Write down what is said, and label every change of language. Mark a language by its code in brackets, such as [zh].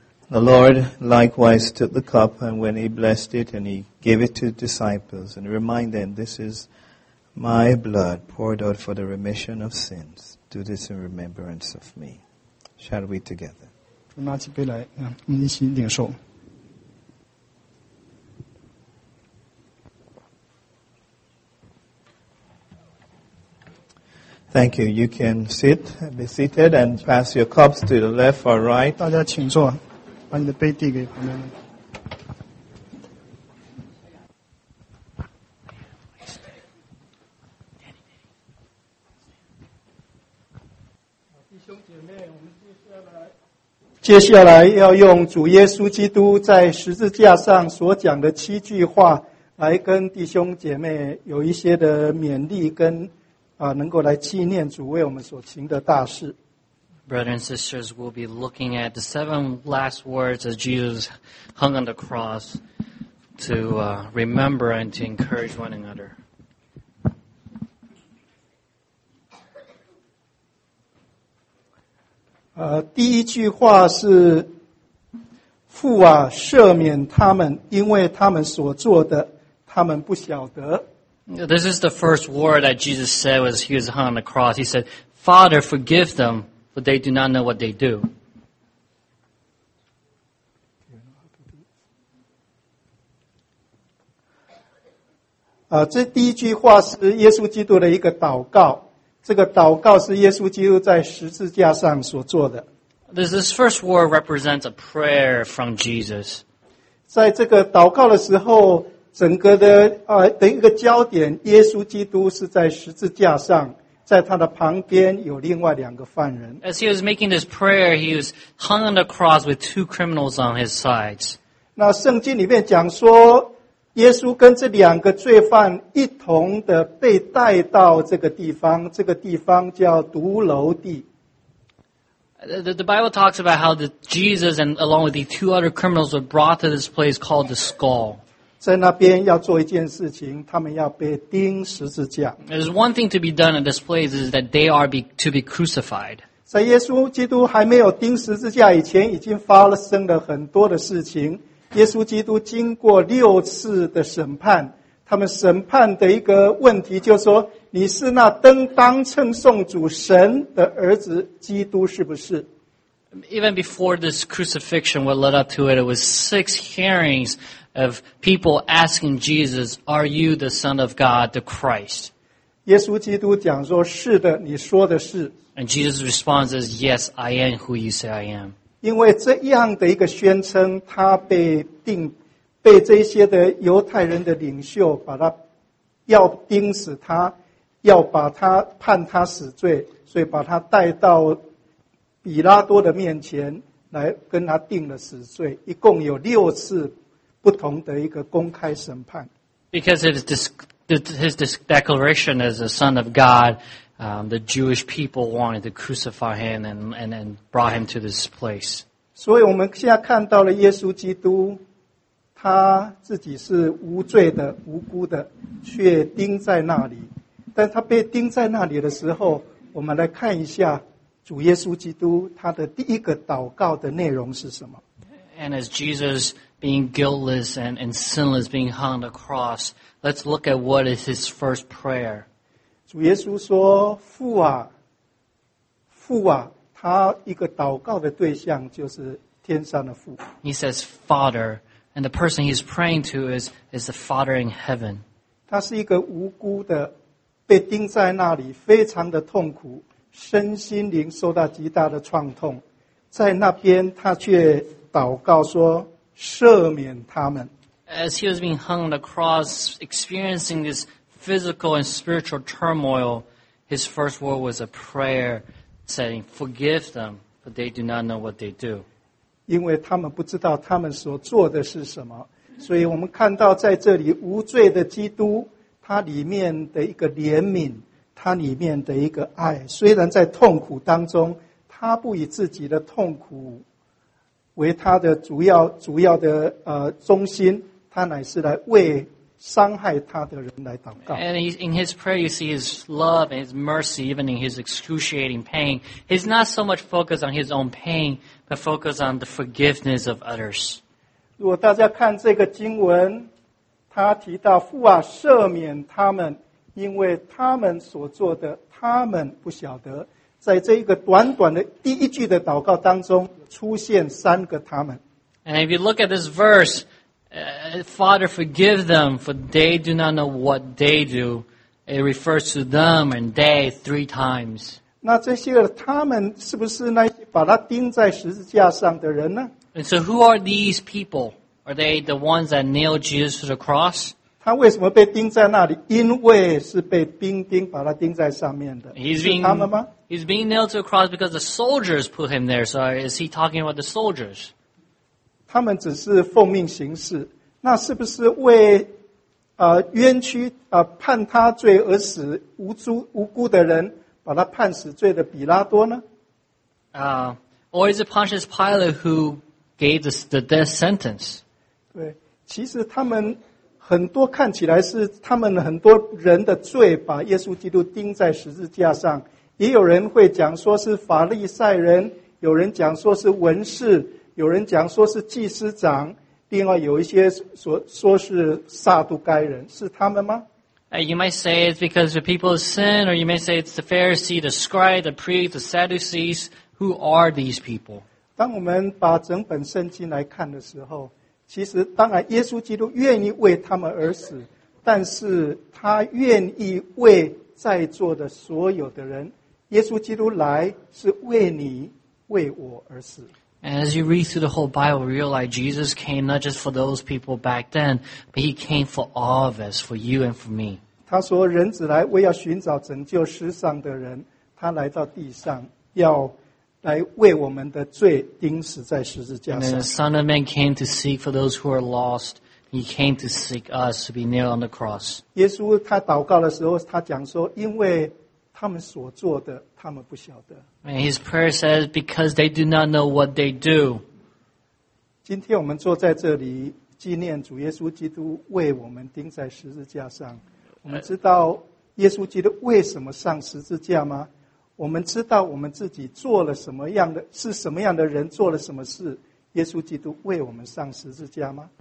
[en] The Lord likewise took the cup, and when he blessed it, and he gave it to the disciples, and reminded them, "This is my blood poured out for the remission of sins. Do this in remembrance of me." Shall we together? [zh] 拿起杯来，我们一起领受。 [en] Thank you. You can sit, be seated, and pass your cups to the left or right. [zh] 大家请坐，把你的杯递给旁边的。弟兄姐妹，我们接下来要用主耶稣基督在十字架上所讲的七句话，来跟弟兄姐妹有一些的勉励跟。能够来纪念主为我们所行的大事。 [en] Brothers and sisters, we'll be looking at the seven last words as Jesus hung on the cross to remember and to encourage one another. [zh] 第一句话是，父啊，赦免他们，因为他们所做的，他们不晓得。 [en] This is the first word that Jesus said as he was hung on the cross. He said, Father, forgive them, but they do not know what they do. [zh] 这第一句话是耶稣基督的一个祷告。这个祷告是耶稣基督在十字架上所做的。 [en] This first word represents a prayer from Jesus. [zh] 在这个祷告的时候整个的一个焦点，耶稣基督是在十字架上，在他的旁边有另外两个犯人。 [en] As he was making this prayer, he was hung on the cross with two criminals on his sides. [zh] 那圣经里面讲说，耶稣跟这两个罪犯一同的被带到这个地方，这个地方叫独楼地。 [en] The Bible talks about how Jesus and along with the two other criminals were brought to this place called the Skull. [zh] 在那边要做一件事情，他们要被钉十字架。 [en] There's one thing to be done at this place is that they are to be crucified. [zh] 在耶稣基督还没有钉十字架以前，已经发生了很多的事情。耶稣基督经过六次的审判，他们审判的一个问题就是说，你是那登当称颂主神的儿子基督是不是？ [en] Even before this crucifixion, what led up to it, it was six hearings of people asking Jesus, "Are you the Son of God, the Christ?" [zh] 耶稣基督讲说是的，你说的是。 [en] And Jesus responds as, "Yes, I am who you say I am." [zh] 因为这样的一个宣称，他被定，被这些的犹太人的领袖把他要钉死他，要把他判他死罪，所以把他带到比拉多的面前来跟他定了死罪，一共有六次不同的一个公开审判。 [en] Because his declaration as the Son of God, the Jewish people wanted to crucify him and brought him to this place. [zh] 所以我们现在看到了耶稣基督，他自己是无罪的、无辜的，却钉在那里。但他被钉在那里的时候，我们来看一下主耶稣基督他的第一个祷告的内容是什么。 [en] And as Jesus being guiltless and sinless being hung on the cross, let's look at what is his first prayer. [zh] 主耶稣说，父啊，父啊，他一个祷告的对象就是天上的父。 [en] He says, Father, and the person he's praying to is the Father in heaven. [zh] 他是一个无辜的，被钉在那里，非常的痛苦，身心灵受到极大的创痛，在那边他却祷告说赦免他们。 [en] As he was being hung on the cross, experiencing this physical and spiritual turmoil, his first word was a prayer saying, "Forgive them, but they do not know what they do." [zh] 因为他们不知道他们所做的是什么，所以我们看到在这里无罪的基督，他里面的一个怜悯，他里面的一个爱，虽然在痛苦当中，他不以自己的痛苦为他的主要的中心，他乃是来为伤害他的人来祷告。 [en] And in his prayer, you see his love and his mercy, even in his excruciating pain. He's not so much focused on his own pain, but focused on the forgiveness of others. [zh] 如果大家看这个经文，他提到父啊，赦免他们，因为他们所做的，他们不晓得。在这一个短短的第一句的祷告当中，出现三个他们。 [en] And if you look at this verse, Father, forgive them, for they do not know what they do. It refers to them and they three times. [zh] 那这些他们是不是那把他钉在十字架上的人呢？ [en] And so who are these people? Are they the ones that nailed Jesus to the cross? [zh] 他为什么被钉在那里？因为是被钉钉把他钉在上面的。是他们吗？ [en] He's being nailed to a cross because the soldiers put him there. So is he talking about the soldiers? [zh] 他们只是奉命行事，那是不是为冤屈判他罪而死无辜的人把他判死罪的比拉多呢？ [en] Or is it Pontius Pilate who gave the death sentence? [zh] 对，其实他们很多看起来是他们很多人的罪把耶稣基督钉在十字架上。也有人会讲说是法利赛人，有人讲说是文士，有人讲说是祭司长，另外有一些说是撒都该人，是他们吗？ [en] You might say it's because the people sin, or you may say it's the Pharisee, the scribe, the priest, the Sadducees. Who are these people? [zh] 当我们把整本圣经来看的时候，其实当然耶稣基督愿意为他们而死，但是他愿意为在座的所有的人，耶稣基督来是为你为我而死。 [en] And as you read through the whole Bible, realize Jesus came not just for those people back then, but he came for all of us, for you and for me. [zh] 他说人子来为要寻找拯救世上的人，他来到地上要来为我们的罪钉死在十字架上。 [en] And the Son of Man came to seek for those who are lost. He came to seek us to be nailed on the cross. [zh] 耶稣他祷告的时候，他讲说，因为他们所做的，他们不晓得。 [en] And his prayer says, because they do not know what they do. [zh] 今天我们坐在这里，纪念主耶稣基督为我们钉在十字架上。我们知道耶稣基督为什么上十字架吗？我们知道我们自己做了什么样的，是什么样的人做了什么事？耶稣基督为我们上十字架吗？